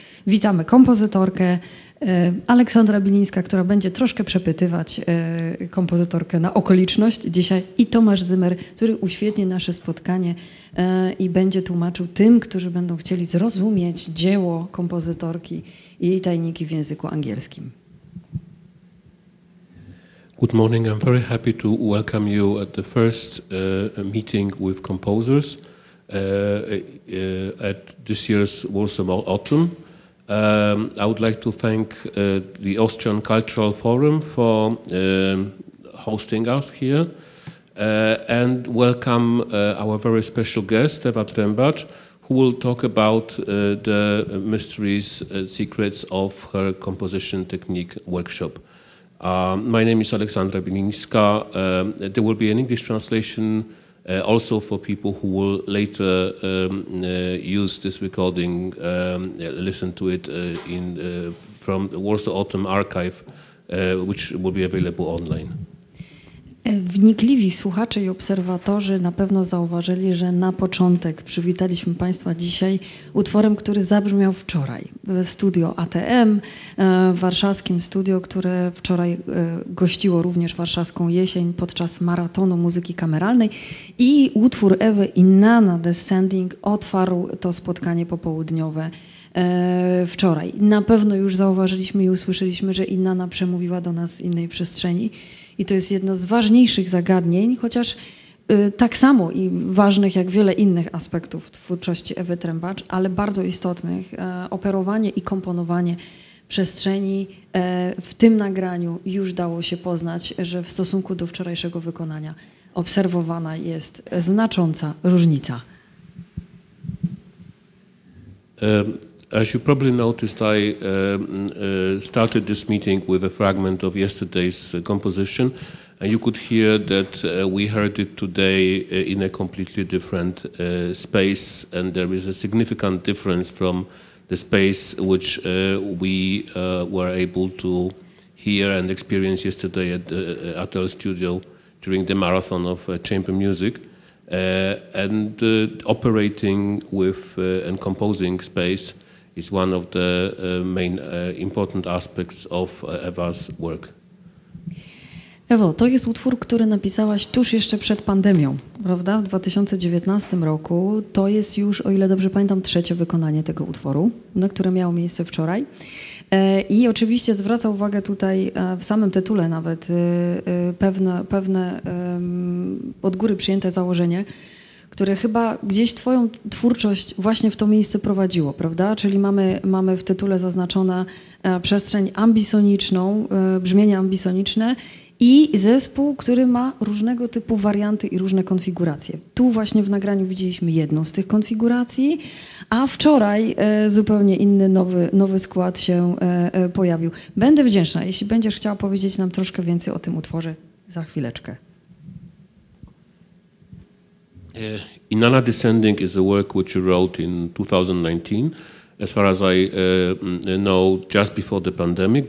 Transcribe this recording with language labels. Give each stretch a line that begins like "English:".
Polish: Witamy kompozytorkę Aleksandra Bilińska, która będzie troszkę przepytywać kompozytorkę na okoliczność dzisiaj, i Tomasz Zymer, który uświetni nasze spotkanie i będzie tłumaczył tym, którzy będą chcieli zrozumieć dzieło kompozytorki i jej tajniki w języku angielskim.
English: Good morning. I'm very happy to welcome you at the first meeting with composers at this year's Warsaw Autumn. I would like to thank the Austrian Cultural Forum for hosting us here and welcome our very special guest, Ewa Trębacz, who will talk about the mysteries and secrets of her composition technique workshop. My name is Aleksandra Bilińska. There will be an English translation also for people who will later use this recording, listen to it from the Warsaw Autumn Archive, which will be available online.
Polish: Wnikliwi słuchacze i obserwatorzy na pewno zauważyli, że na początek przywitaliśmy Państwa dzisiaj utworem, który zabrzmiał wczoraj w studio ATM, w warszawskim studio, które wczoraj gościło również warszawską jesień podczas maratonu muzyki kameralnej. I utwór Ewy Inanna Descending otwarł to spotkanie popołudniowe wczoraj. Na pewno już zauważyliśmy i usłyszeliśmy, że Inanna przemówiła do nas z innej przestrzeni. I to jest jedno z ważniejszych zagadnień, chociaż tak samo i ważnych jak wiele innych aspektów twórczości Ewy Trębacz, ale bardzo istotnych, operowanie i komponowanie przestrzeni w tym nagraniu już dało się poznać, że w stosunku do wczorajszego wykonania obserwowana jest znacząca różnica.
English: As you probably noticed, I started this meeting with a fragment of yesterday's composition, and you could hear that we heard it today in a completely different space, and there is a significant difference from the space which we were able to hear and experience yesterday at the Atel studio during the marathon of chamber music. And operating with and composing space is one of the main important aspects of Ewa's work.
Polish: Ewo, to jest utwór, który napisałaś tuż jeszcze przed pandemią, prawda? W 2019 roku. To jest już, o ile dobrze pamiętam, trzecie wykonanie tego utworu, no, które miało miejsce wczoraj. I oczywiście zwraca uwagę tutaj w samym tytule nawet pewne od góry przyjęte założenie, które chyba gdzieś twoją twórczość właśnie w to miejsce prowadziło, prawda? Czyli mamy w tytule zaznaczone przestrzeń ambisoniczną, brzmienie ambisoniczne i zespół, który ma różnego typu warianty i różne konfiguracje. Tu właśnie w nagraniu widzieliśmy jedną z tych konfiguracji, a wczoraj zupełnie inny, nowy skład się pojawił. Będę wdzięczna, jeśli będziesz chciała powiedzieć nam troszkę więcej o tym utworze za chwileczkę.
English: Inanna Descending is a work which you wrote in 2019. As far as I know, just before the pandemic.